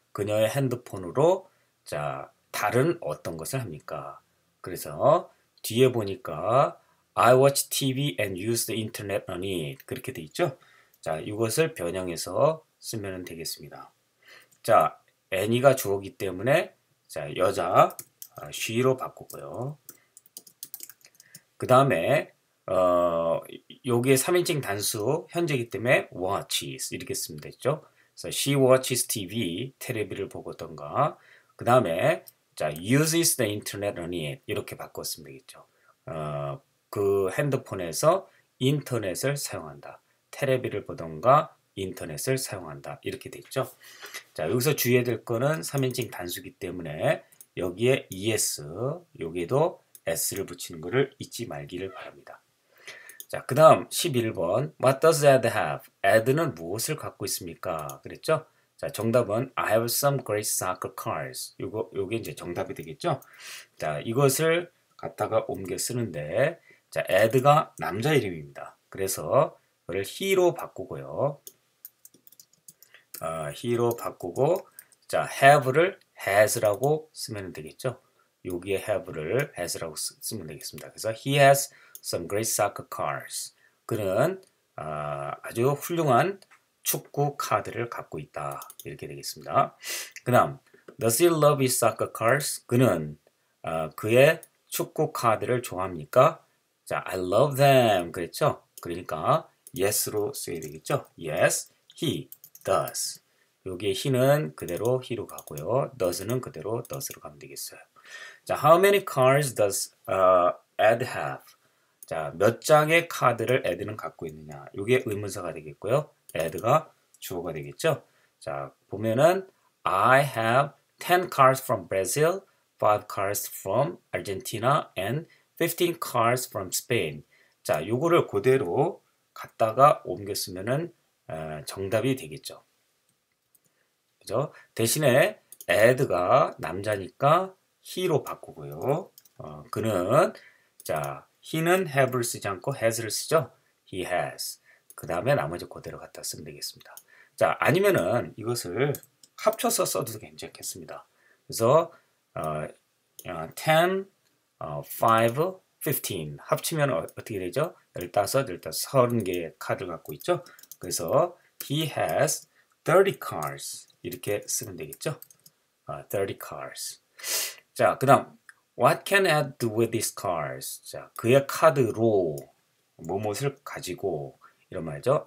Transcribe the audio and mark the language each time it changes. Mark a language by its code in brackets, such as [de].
[ko] 그녀의 핸드폰으로 자 다른 어떤 것을 합니까? 그래서 뒤에 보니까 [en] I watch TV and use the internet on it [ko] 그렇게 돼 있죠. 자 이것을 변형해서 쓰면 되겠습니다. 자 애니가 주어기 때문에 자 여자 she로 바꾸고요. 그 다음에 여기에 3인칭 단수 현재이기 때문에 watches 이렇게 쓰면 되죠. 그래서 [en] she watches TV, [ko] 테레비를 보거든가. 그 다음에 자 [en] uses the internet on it [ko] 이렇게 바꿨으면 되겠죠. 그 핸드폰에서 인터넷을 사용한다. 테레비를 보던가 인터넷을 사용한다 이렇게 되겠죠. 자 여기서 주의해야 될 거는 3인칭 단수기 때문에 여기에 es 여기에도 s를 붙이는 거를 잊지 말기를 바랍니다. 자, 그 다음 11번. [en] What does Ed have? [ko] Ed는 무엇을 갖고 있습니까? 그랬죠? 자, 정답은 [en] I have some great soccer cards. [ko] 요게 이제 정답이 되겠죠? 자, 이것을 갖다가 옮겨 쓰는데, 자, Ed가 남자 이름입니다. 그래서 그걸 he로 바꾸고요. he로 바꾸고, 자, have를 has라고 쓰면 되겠죠? 요기에 have를 has라고 쓰면 되겠습니다. 그래서 [en] he has some great soccer cards. [ko] 그는 아주 훌륭한 축구 카드를 갖고 있다. 이렇게 되겠습니다. 그다음, [en] Does he love his soccer cards? [ko] 그는 그의 축구 카드를 좋아합니까? [en] 자, I love them. [ko] 그랬죠? 그러니까 yes로 써야 되겠죠? [en] Yes, he does. [ko] 여기에 he는 그대로 he로 가고요. does는 그대로 does로 가면 되겠어요. [en] 자, how many cards does Ed have? [ko] 자, 몇 장의 카드를 에드는 갖고 있느냐? 이게 의문사가 되겠고요. 에드가 주어가 되겠죠. 자, 보면은 [en] I have 10 cards from Brazil, 5 cards from Argentina, and 15 cards from Spain. [ko] 자, 요거를 그대로 갖다가 옮겨 쓰면은 정답이 되겠죠. 그죠? 대신에 에드가 남자니까 he로 바꾸고요. 그는 자 He는 have를 쓰지 않고 has를 쓰죠. [en] He has. [ko] 그 다음에 나머지 그대로 갖다 쓰면 되겠습니다. 자, 아니면은 이것을 합쳐서 써도 괜찮겠습니다. 그래서 10, 5, 15 합치면 어떻게 되죠? 15, 30개의 카드를 갖고 있죠. 그래서 [en] he has 30 cards [ko] 이렇게 쓰면 되겠죠. [en] 30 cards. [ko] 자, 그 다음 [en] What can Ed do with these cards? [ko] 자, 그의 카드로 뭐뭇을 가지고 이런 말이죠.